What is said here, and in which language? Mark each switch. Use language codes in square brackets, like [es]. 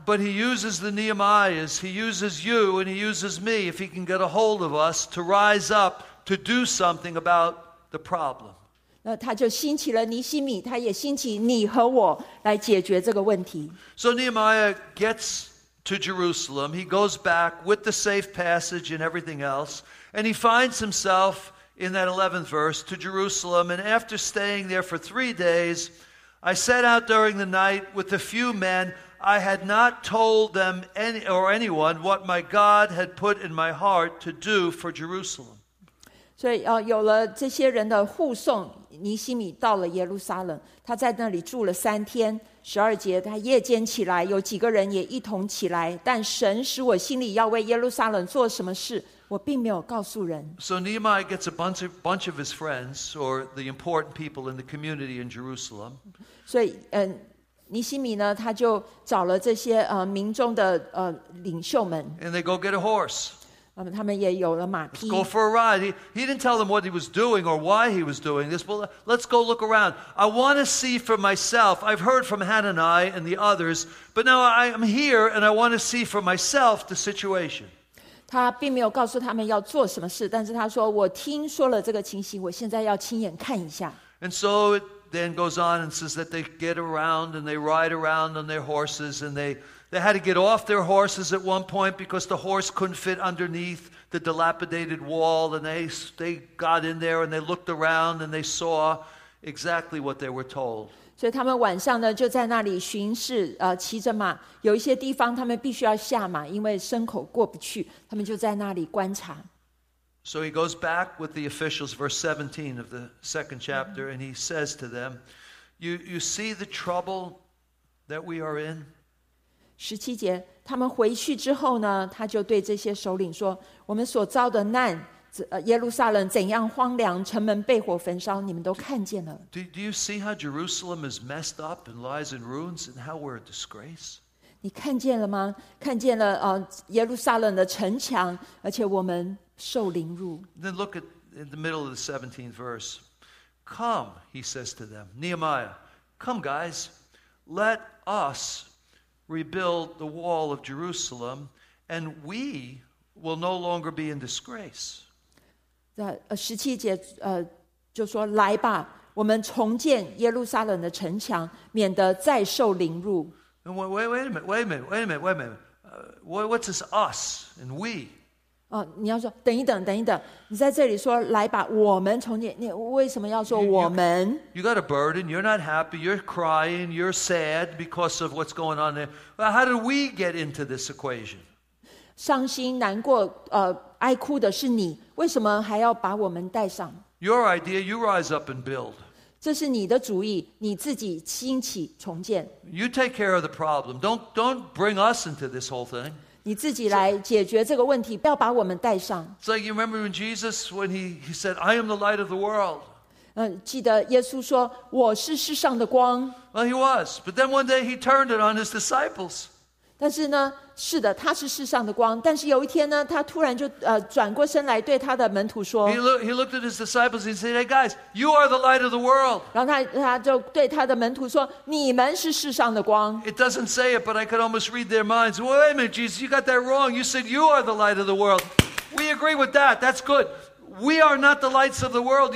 [en] But he uses the Nehemiahs, he uses you and he uses me if he can get a hold of us to rise up to do something about the problem. [zh] 他就兴起了尼希米，他也兴起你和我来解决这个问题。 [en] So Nehemiah gets to Jerusalem. He goes back with the safe passage and everything else. And he finds himself in that 11th verse to Jerusalem. And after staying there for 3 days, I set out during the night with a few men. I had not told them anyone what my God had put in my heart to do for Jerusalem. [zh] 所以有了这些人的护送, 尼希米到了耶路撒冷, 他在那里住了3天, 12节, 他夜间起来, 有几个人也一同起来, 但神使我心里要为耶路撒冷做什么事, 我并没有告诉人。 [en] So Nehemiah gets a bunch of his friends, or the important people in the community in Jerusalem. [zh] 所以, 尼希米呢, 他就找了这些, 民众的, 领袖们。 [en] And they go get a horse. [zh] 他们也有了马匹。 [en] Let's go for a ride. He didn't tell them what he was doing or why he was doing this. Well, let's go look around. I want to see for myself. I've heard from Hanani and the others, but now I'm here and I want to see for myself the situation. [zh] 他并没有告诉他们要做什么事, 但是他说, 我听说了这个情形, 我现在要亲眼看一下。 [en] And so it then goes on and says that they get around and they ride around on their horses and they had to get off their horses at one point because the horse couldn't fit underneath the dilapidated wall, and they got in there and they looked around and they saw exactly what they were told. [zh] 所以他们晚上呢就在那里巡视, 骑着马, 有一些地方他们必须要下马, 因为牲口过不去, 他们就在那里观察。 [en] So he goes back with the officials, verse 17 of the second chapter, and he says to them, you see the trouble that we are in? [zh] 17节, 他们回去之后呢, 他就对这些首领说, 我们所遭的难, 耶路撒冷怎样荒凉, 城门被火焚烧, 你们都看见了。 [en] Do you see how Jerusalem is messed up and lies in ruins and how we're a disgrace? [zh] 你看见了吗? 看见了, 耶路撒冷的城墙, 而且我们受凌辱。 [en] Then look at in the middle of the 17th verse. Come, he says to them, Nehemiah, come guys, let us rebuild the wall of Jerusalem, and we will no longer be in disgrace. [zh] 17节, 就说, 来吧, 我们重建耶路撒冷的城墙, 免得再受凌辱。 [en] Wait a minute. What's this us and we? [zh] 你要说, 等一等。你在这里说, 来吧, 我们重建, 你为什么要说我们? [en] You got a burden, you're not happy, you're crying, you're sad because of what's going on there. Well, how did we get into this equation? [zh] 伤心, 难过, 爱哭的是你, 为什么还要把我们带上? [en] Your idea, you rise up and build. [zh] 这是你的主意, 你自己兴起重建。 [en] You take care of the problem. Don't bring us into this whole thing. [zh] 你自己来解决这个问题, 不要把我们带上。 [en] It's like you remember when Jesus, when he said, I am the light of the world. [zh] 记得耶稣说, 我是世上的光。 [en] Well, he was. But then one day he turned it on his disciples. [zh] 但是呢, 是的, 他是世上的光, 但是有一天呢, 他突然就, 转过身来对他的门徒说, [en] he looked at his disciples and said, hey guys, you are the light of the world. [zh] 然后他就对他的门徒说, 你们是世上的光。 [en] It doesn't say it, but I could almost read their minds. Well, wait a minute, Jesus, you got that wrong. You said you are the light of the world. We agree with that. That's good. We are not the lights of the world.